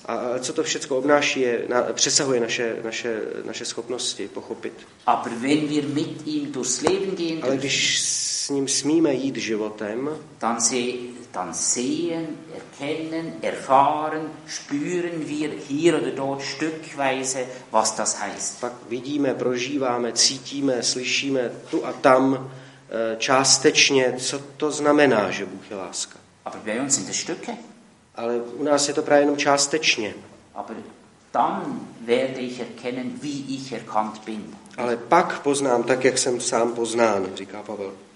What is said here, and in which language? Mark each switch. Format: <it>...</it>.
<cs>A co to všechno obnáší, přesahuje naše schopnosti pochopit.</cs> <de>Aber wenn wir mit ihm durchs Leben gehen,</de> <cs>ale když s ním smíme jít životem,</cs> <de>dann sehen, erkennen, erfahren, spüren wir hier oder dort stückweise, was das heißt.</de> <cs>Pak vidíme, prožíváme, cítíme, slyšíme tu a tam částečně, co to znamená, že Bůh je láska.</cs> <de>Aber bei uns sind es Stücke.</de> <cs>Ale u nás je to právě jenom částečně.</cs> <de>Aber dann werde ich erkennen, wie ich erkannt bin.</de> <cs>Ale pak poznám tak, jak jsem sám poznán, říká Pavel.</cs>